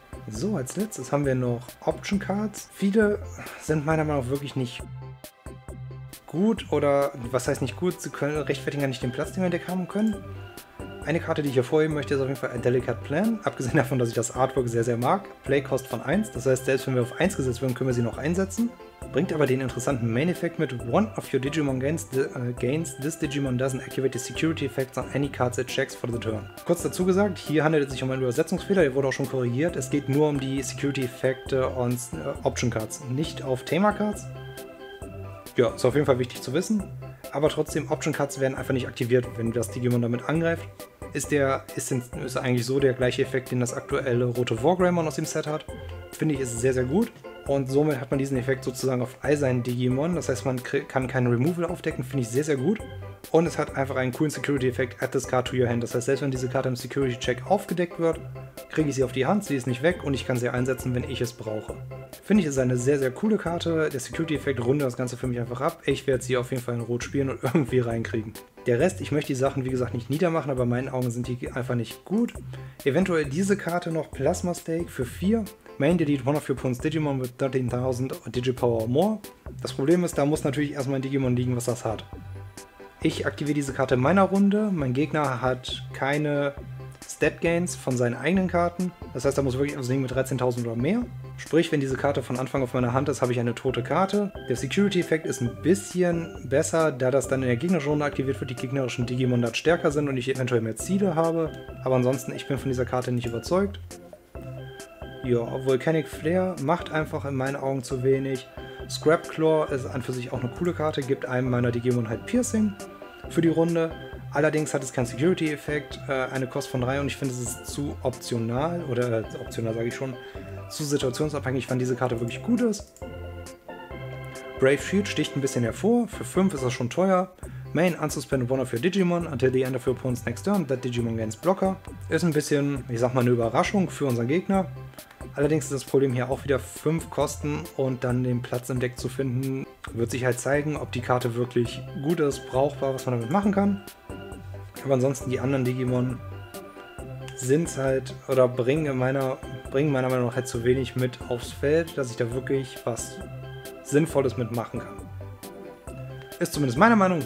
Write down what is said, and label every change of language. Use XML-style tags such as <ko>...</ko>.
<de>So, als letztes haben wir noch Option Cards. Viele sind meiner Meinung nach wirklich nicht gut oder, was heißt nicht gut, sie können rechtfertigen gar nicht den Platz, den wir in der Deck haben können. Eine Karte, die ich hervorheben möchte, ist auf jeden Fall ein Delicate Plan. Abgesehen davon, dass ich das Artwork sehr, sehr mag. Play Cost von 1, das heißt, selbst wenn wir auf 1 gesetzt werden, können wir sie noch einsetzen. Bringt aber den interessanten Main Effekt mit.</de> <en>One of your Digimon gains, this Digimon doesn't activate the security effects on any cards it checks for the turn.</en> <de>Kurz dazu gesagt, hier handelt es sich um einen Übersetzungsfehler, der wurde auch schon korrigiert. Es geht nur um die Security Effekte on Option Cards, nicht auf Thema Cards. Ja, ist auf jeden Fall wichtig zu wissen. Aber trotzdem, Option Cards werden einfach nicht aktiviert, wenn das Digimon damit angreift. Ist eigentlich so der gleiche Effekt, den das aktuelle rote Wargreymon aus dem Set hat. Finde ich, ist sehr, sehr gut. Und somit hat man diesen Effekt sozusagen auf all seinen Digimon. Das heißt, man kann keinen Removal aufdecken. Finde ich sehr, sehr gut. Und es hat einfach einen coolen Security-Effekt,</de> <en>add this card to your hand.</en> <de>Das heißt, selbst wenn diese Karte im Security-Check aufgedeckt wird, kriege ich sie auf die Hand, sie ist nicht weg und ich kann sie einsetzen, wenn ich es brauche. Finde ich, ist eine sehr, sehr coole Karte. Der Security-Effekt rundet das Ganze für mich einfach ab. Ich werde sie auf jeden Fall in Rot spielen und irgendwie reinkriegen. Der Rest, ich möchte die Sachen, wie gesagt, nicht niedermachen, aber in meinen Augen sind die einfach nicht gut. Eventuell diese Karte noch, Plasma Stake für 4.</de> <en>Main Delete one of your opponent's Digimon with 13.000 Digipower or more.</en> <de>Das Problem ist, da muss natürlich erstmal ein Digimon liegen, was das hat. Ich aktiviere diese Karte in meiner Runde. Mein Gegner hat keine Stat Gains von seinen eigenen Karten. Das heißt, er muss wirklich auslegen mit 13.000 oder mehr. Sprich, wenn diese Karte von Anfang auf meiner Hand ist, habe ich eine tote Karte. Der Security-Effekt ist ein bisschen besser, da das dann in der Gegnerrunde aktiviert wird, die gegnerischen Digimon dort stärker sind und ich eventuell mehr Ziele habe. Aber ansonsten, ich bin von dieser Karte nicht überzeugt. Ja, Volcanic Flare macht einfach in meinen Augen zu wenig. Scrap Claw ist an für sich auch eine coole Karte, gibt einem meiner Digimon halt Piercing für die Runde. Allerdings hat es keinen Security-Effekt, eine Kost von 3 und ich finde, es ist zu optional, oder optional sage ich schon, zu situationsabhängig, wann diese Karte wirklich gut ist. Brave Shield sticht ein bisschen hervor, für 5 ist das schon teuer.</de> <en>Main, unsuspend one of your Digimon until the end of your opponent's next turn, that Digimon gains Blocker.</en> <de>Ist ein bisschen, ich sag mal, eine Überraschung für unseren Gegner. Allerdings ist das Problem hier auch wieder 5 Kosten und dann den Platz im Deck zu finden, wird sich halt zeigen, ob die Karte wirklich gut ist, brauchbar, was man damit machen kann. Aber ansonsten, die anderen Digimon sind halt, oder bringen meiner Meinung nach halt zu wenig mit aufs Feld, dass ich da wirklich was Sinnvolles mitmachen kann. Ist zumindest meine Meinung.</de>